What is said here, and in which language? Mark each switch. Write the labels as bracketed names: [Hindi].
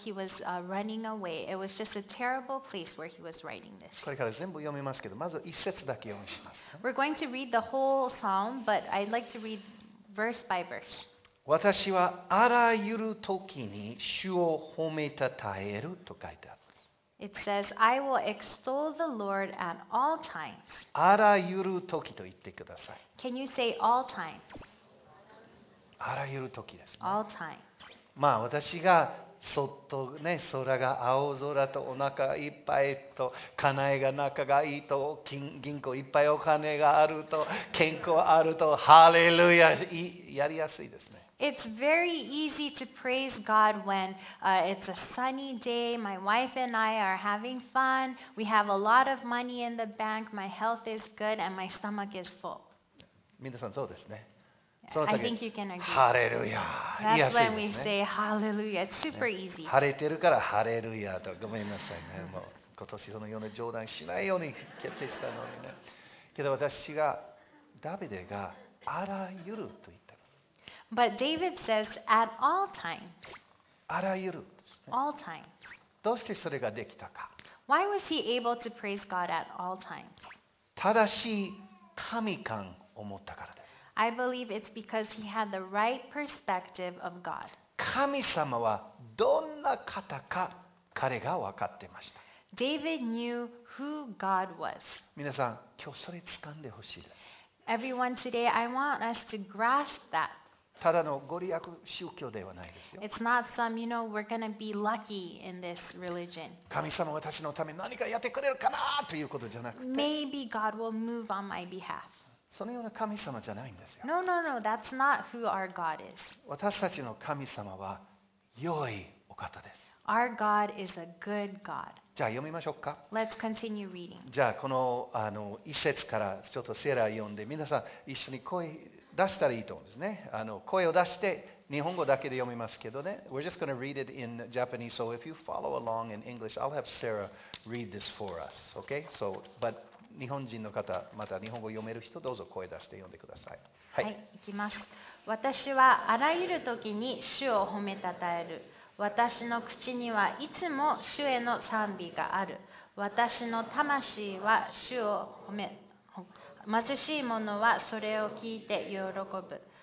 [English] He was running away. It was just a terrible place where he was writing this. [Japanese] これから全部読みますけど、まず一節だけ読みします。 [English] We're going to read the whole psalm, but I'd like to read verse by verse. [Japanese] 私はあらゆる時に主を褒めたたえると書いてある。 [English] It says, I will extol the Lord at all times. [Japanese] あらゆる時と言ってください。 [English] Can you say all times? [Japanese] あらゆる時ですね。 [English] All time. [Japanese] まあ私がそっとね、空が青空とお腹いっぱいと、家内が仲がいいと、銀行いっぱいお金があると、健康あると、ハレルヤやりやすいですね。 [English] It's very easy to praise God when it's a sunny day, my wife and I are having fun, we have a lot of money in the bank, my health is good and my stomach is full. [Japanese] 皆さんそうですね。 [English] I think you can agree. [Japanese] ハレルヤ。 [English] That's when we say hallelujah. It's super easy. [Japanese] 晴れてるからハレルヤと。ごめんなさいね。もう今年そのような冗談しないように決定したのにね。けど私がダビデがあらゆると言ったの。 [English] But David says at all times. [Japanese] あらゆる。 [English] All times. [Japanese] どうしてそれができたか。 [English] Why was he able to praise God at all times? [Japanese] 正しい神観を持ったからです。 [English] I believe it's because he had the right perspective of God. [Japanese] 神様はどんな方か彼が分かっていました。 [English] David knew who God was. [Japanese] 皆さん、今日それ掴んでほしいです。 [English] Everyone today, I want us to grasp that. [Japanese] ただのご利益宗教ではないですよ。 [English] It's not some, you know, we're going to be lucky in this religion. [Japanese] 神様は私のために何かやってくれるかなということじゃなくて。 [English] Maybe God will move on my behalf. [Japanese] そのような神様じゃないんですよ。 [English] No, no, no. That's not who our God is. [Japanese] 私たちの神様は良いお方です。 [English] Our God is a good God. [Japanese] じゃあ読みましょうか。 [English] Let's continue reading. [Japanese] じゃあこの一節からちょっとセラ読んで、皆さん一緒に声出したらいいと思うんですね。声を出して日本語だけで読みますけどね。 [English] We're just going to read it in Japanese. So if you follow along in English, I'll have Sarah read this for us. Okay? So, but... [Japanese] 日本人の方、また日本語を読める人、どうぞ声出して読んでください。はい、はい、いきます。私はあらゆる時に主を褒めたたえる。私の口にはいつも主への賛美がある。私の魂は主を褒め、貧しい者はそれを聞いて喜ぶ。